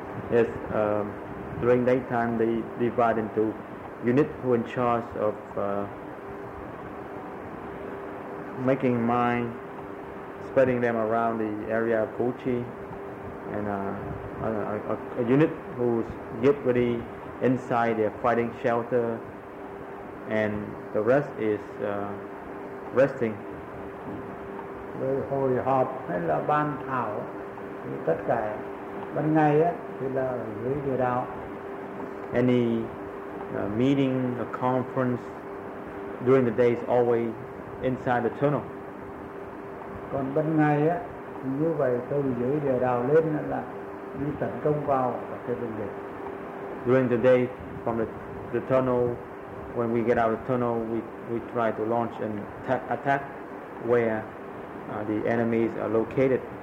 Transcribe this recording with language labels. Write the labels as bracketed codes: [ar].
[en] Yes, during daytime they divide into units who in charge of making mine, spreading them around the area of Củ Chi, and a unit who's get ready inside their fighting shelter, and the rest is resting. [vi] Rồi hồi họp hay là ban thảo thì tất cả ban ngày á thì là dưới địa đạo. [en] Any meeting, a conference during the day is always inside the tunnel. [vi] Còn ban ngày á như vậy từ dưới địa đạo lên là đi tấn công vào các cái bệnh viện. [en] During the day from the tunnel, when we get out of the tunnel, we try to launch an attack where the enemies are located.